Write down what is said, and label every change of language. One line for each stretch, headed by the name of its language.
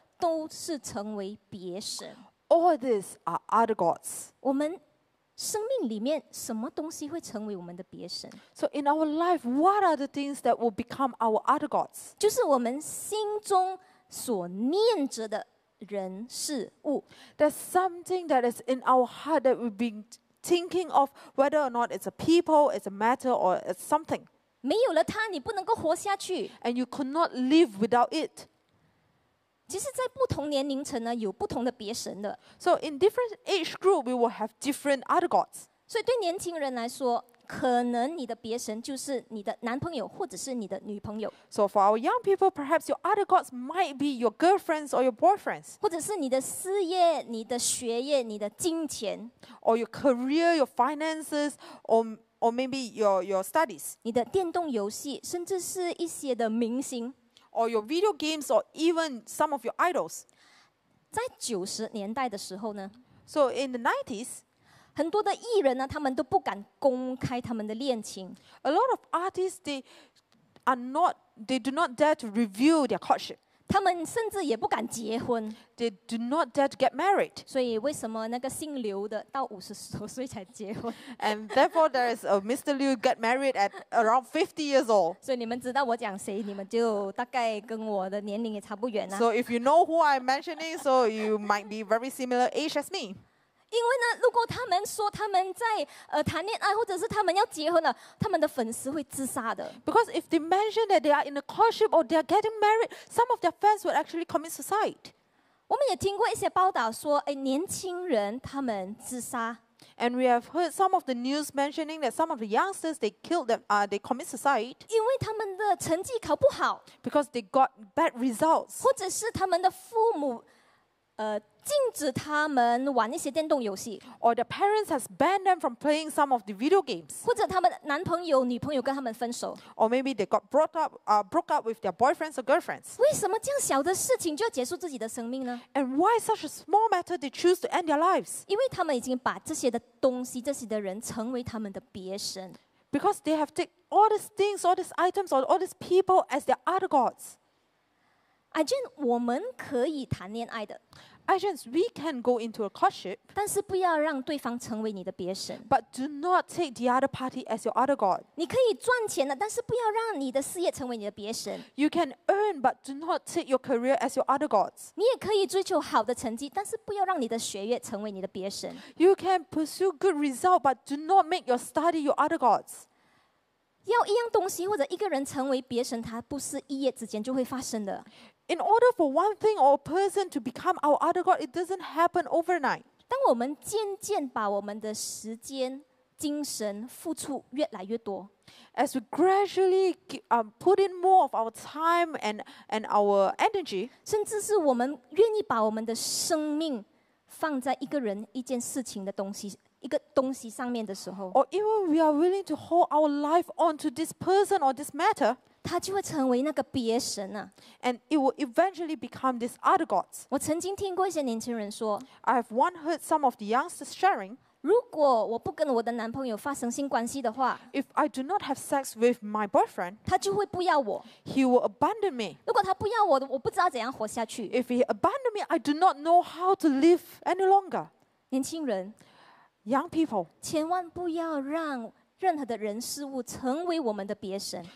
Chinese: 都是成为别神。
English: All these are other gods.
Chinese: 我们生命里面什么东西会成为我们的别神
English: ？So in our life, what are the things that will become our other gods?
Chinese: 就是我们心中所念着的人事物。
English: There's something that is in our heart that we've been thinking of, whether or not it's a people, it's a matter, or it's something.
Chinese: 没有了它，你不能够活下去。
English: And you could not live without it.
Chinese: 其实在不同年龄层呢有不同的别神的
English: So in different age group we will have different other gods
Chinese: 所以对年轻人来说可能你的别神就是你的男朋友或者是你的女朋友。
English: So for our young people, perhaps your other gods might be your girlfriends or your boyfriends.
Chinese: 或者是你的事业、你的学业、你的金钱。
English: Or your career, your finances, or maybe your studies.
Chinese: 你的电动游戏，甚至是一些的明星。
English: Or your video games, or even some of your idols.
Chinese: 在九十年代的时候呢
English: ？So in the 90s.
Chinese: 很多的艺人呢，他们都不敢公开他们的恋情。
English: A lot of artists they do not dare to reveal their courtship.
Chinese: 他们甚至也不敢结婚。
English: They do not dare to get married.
Chinese: 所以为什么那个姓刘的到五十多岁才结婚
English: ？And therefore, there is a Mr. Liu get married at around 50 years old.
Chinese: 所以你们知道我讲谁，你们就大概跟我的年龄也差不远了。
English: So if you know who I'm mentioning, so you might be very similar age as me.
Chinese: 因为呢，如果他们说他们在谈恋爱，或者是他们要结婚了，他们的粉丝会自杀的。
English: Because if they mention that they are in a courtship or they are getting married, some of their fans would actually commit suicide.
Chinese: 我们也听过一些报道说，哎，年轻人他们自杀。
English: And we have heard some of the news mentioning that some of the youngsters they killed them, they commit suicide.
Chinese: 因为他们的成绩考不好。
English: Because they got bad results.
Chinese: 或者是他们的父母。禁止他们玩一些电动游戏
English: ，or their parents has banned them from playing some of the video games，
Chinese: 或者他们男朋友、女朋友跟他们分手
English: ，or maybe they got broke up with their boyfriends or girlfriends。
Chinese: 为什么这样小的事情就要结束自己的生命呢
English: ？And why such a small matter they choose to end their lives？
Chinese: 因为他们已经把这些的东西、这些的人成为他们的别神
English: ，because they have taken all these things, all these items, or all these people as their other gods。
Chinese: 阿娟，我们可以谈恋爱的。
English: Agents, we can go into a courtship,
Chinese: 但是不要让对方成为你的别神。
English: But do not take the other party as your other god.
Chinese: 你可以赚钱的，但是不要让你的事业成为你的别神。
English: You can earn, but do not take your career as your other gods.
Chinese: 你也可以追求好的成绩，但是不要让你的学业成为你的别神。
English: You can pursue good result, but do not make your study your other gods.
Chinese: 要一样东西或者一个人成为别神，它不是一夜之间就会发生的。
English: In order for one thing or a person to become our other god, it doesn't happen overnight.
Chinese: 当我们渐渐把我们的时间、精神付出越来越多
English: ，as we gradually put in more of our time and our energy，
Chinese: 甚至是我们愿意把我们的生命放在一个人、一件事情的东西。一个东西上面的时候
English: ，or even we are willing to hold our life onto this person or this matter，
Chinese: 他就会成为那个别神啊
English: ，and it will eventually become this other gods。
Chinese: 我曾经听过一些年轻人说
English: ，I have one heard some of the youngsters sharing，
Chinese: 如果我不跟我的男朋友发生性关系的话
English: ，if I do not have sex with my boyfriend，
Chinese: 他就会不要我
English: ，he will abandon me。
Chinese: 如果他不要我，我不知道怎样活下去
English: ，if he abandon me， I do not know how to live any longer。
Chinese: 年轻人。
English: Young people,
Chinese: 千万不要让任何的人事物成为我们的别神。